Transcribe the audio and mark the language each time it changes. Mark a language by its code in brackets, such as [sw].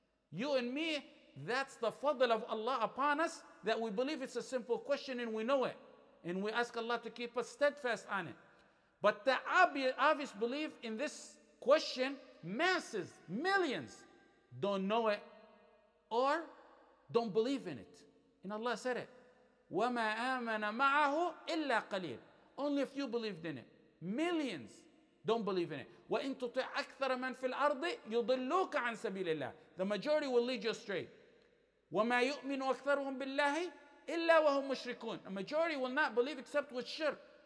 [en] You and me, that's the fadl of Allah upon us, that we believe it's a simple question and we know it, and we ask Allah to keep us steadfast on it. But the obvious belief in this question, masses, millions don't know it or don't believe in it. And Allah said it, [ar] وَمَا آمَنَ مَعَهُ إِلَّا قَلِيلٌ. [en] Only a few believed in it. Millions don't believe in it. [ar] وَإِن تُطِعْ أَكْثَرَ مَنْ فِي الْأَرْضِ يُضِلُّوكَ عَنْ سَبِيلِ اللَّهِ. [en] The majority will lead you astray. [ar] وَمَا يُؤْمِنُ أَكْثَرُهُمْ بِاللَّهِ إِلَّا وَهُمْ مُشْرِكُونَ. [en] A majority will not believe except with shirk.